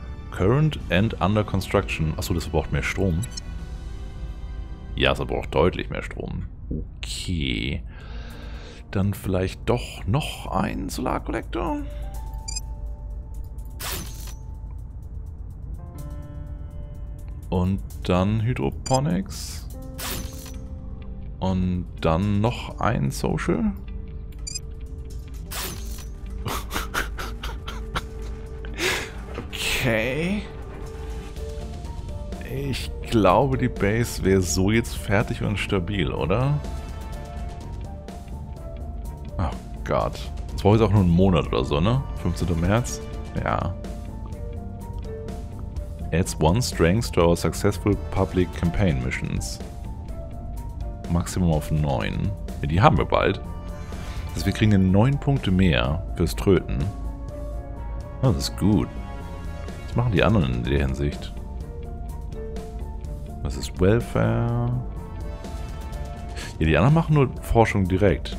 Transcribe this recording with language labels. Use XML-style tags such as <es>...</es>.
<en>Current and under construction.</en> <de>Achso, das braucht mehr Strom. Ja, es braucht deutlich mehr Strom. Okay. Dann vielleicht doch noch ein Solarkollektor. Und dann Hydroponics. Und dann noch ein Social. Okay. Ich glaube, die Base wäre so jetzt fertig und stabil, oder? Oh Gott. Jetzt brauche ich auch nur einen Monat oder so, ne? 15. März? Ja.</de> <en>Adds one strength to our successful public campaign missions. Maximum of 9.</en> <de>Ja, die haben wir bald. Das heißt, wir kriegen 9 Punkte mehr fürs Tröten. Das ist gut. Was machen die anderen in der Hinsicht? Was ist Welfare? Ja, die anderen machen nur Forschung direkt.</de>